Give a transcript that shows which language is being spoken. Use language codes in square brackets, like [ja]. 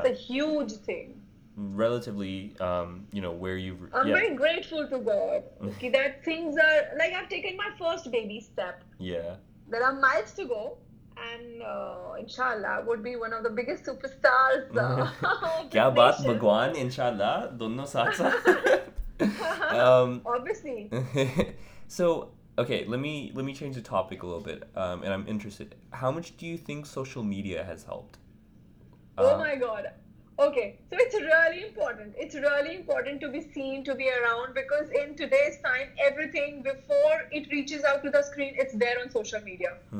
[en] It's a huge thing. Relatively, you know, where you've... I'm very grateful to God that things are... Like, I've taken my first baby step. Yeah. There are miles to go. And inshallah, would be one of the biggest superstars. [hi] क्या बात, भगवान, इंशाअल्लाह, दोनों साथ साथ। [en] Obviously. So, okay, let me change the topic a little bit. And I'm interested. How much do you think social media has helped? Oh my God. Okay, so it's really important. It's really important to be seen, to be around, because in today's time, everything before it reaches out to the screen, it's there on social media.